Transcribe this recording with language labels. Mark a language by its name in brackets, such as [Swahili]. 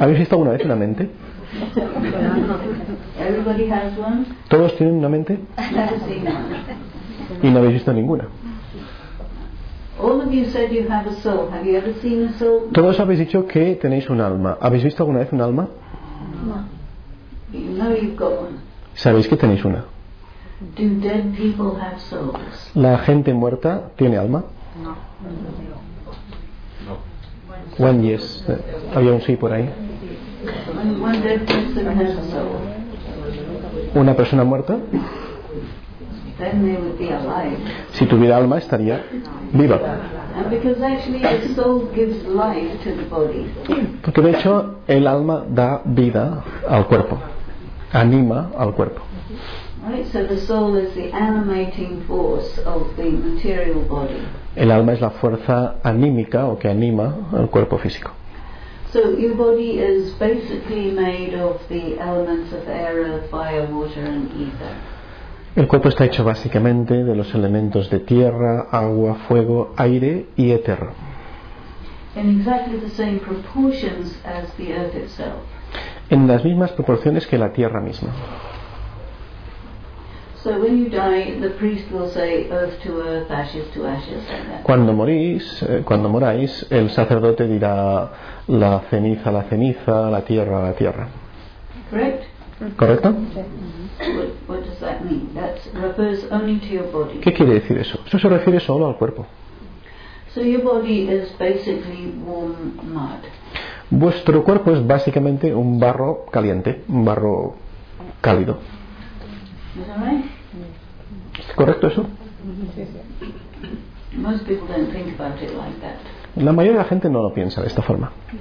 [Spanish] ¿Habéis visto alguna vez una mente? [English] Everybody has one. [Spanish] ¿Todos tienen una mente? Sí, no. Y no habéis visto ninguna. [English] All of you said you have a soul. Have you ever seen a soul? [Spanish] Todos habéis dicho que tenéis un alma. ¿Habéis visto alguna vez un alma? [English] No. You know you've got one. [Spanish] ¿Sabéis que tenéis una? [English] Do dead people have souls? [Spanish] ¿La gente muerta tiene alma? No. No. [English] One yes. [Spanish] Había un sí por ahí. [English] One dead person has a soul. [Spanish] ¿Una persona muerta? [English] Then they would be alive. [Spanish] Si tuviera alma estaría viva. [English] And because actually the soul gives life to the body. [Spanish] Porque de hecho el alma da vida al cuerpo, anima al cuerpo. [English] Right, so the soul is the animating force of the material body. [Spanish] El alma es la fuerza anímica o que anima al cuerpo físico. [English] So your body is basically made of the elements of air, fire, water, and ether. [Spanish] El cuerpo está hecho básicamente de los elementos de tierra, agua, fuego, aire y éter. [English] In exactly the same proportions as the earth itself. [Spanish] En las mismas proporciones que la tierra misma. [English] So when you die, the priest will say earth to earth, ashes to ashes. [Spanish] Cuando morís, cuando moráis, el sacerdote dirá la ceniza a la ceniza, la tierra a la tierra. [English] Correct? [Spanish] ¿Correcto? [English] What does that mean? That refers only to your body. [Spanish] ¿Qué quiere decir eso? Eso se refiere solo al cuerpo. [English] So your body is basically warm mud. [Spanish] Vuestro cuerpo es básicamente un barro caliente, un barro cálido. [English] Is that right? [Spanish] ¿Es correcto eso? [English] Most people don't think about it like that. [Spanish] La mayoría de la gente no lo piensa de esta forma.